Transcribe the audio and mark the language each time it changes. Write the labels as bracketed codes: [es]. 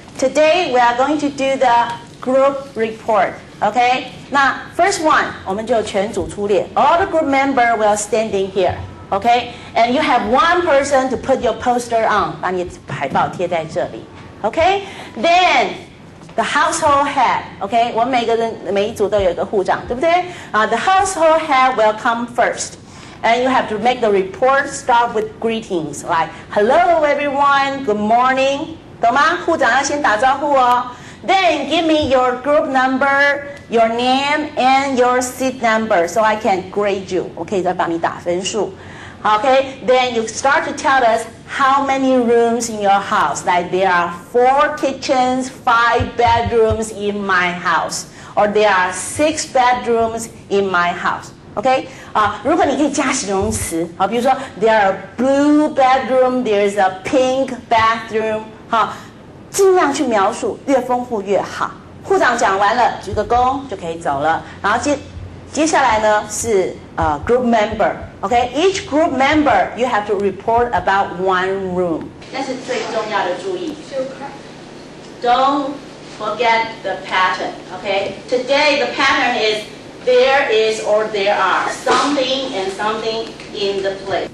[en] Today we are going to do the group report. Okay? Now, first one, [zh] 我们就全组出列 [en] All the group member will standing here. Okay? And you have one person to put your poster on, [zh] 把你海报贴在这里 [en] Okay? Then, the household head. Okay? [zh] 我们每个人每一组都有一个护长，对不对？ [en] The household head will come first. And you have to make the report start with greetings, like "Hello, everyone. Good morning." [zh] 懂吗？护长要先打招呼哦。 [en] Then give me your group number, your name, and your seat number, so I can grade you. [zh] Okay, 再帮你打分数。 [en] Okay, then you start to tell us how many rooms in your house. Like there are 4 kitchens, 5 bedrooms in my house, or there are 6 bedrooms in my house. [zh] Okay. 如果你可以加形容词，好，比如说 [en] there are blue bedroom, there is a pink bathroom, [zh] 好，尽量去描述，越丰富越好。护长讲完了，举个躬就可以走了。然后接下来呢是 [en] group member, [zh] okay? [en] Each group member you have to report about one room. [zh] 那是最重要的注意。 [en] Don't forget the pattern, okay? Today the pattern is. There is or there are something and something in the place.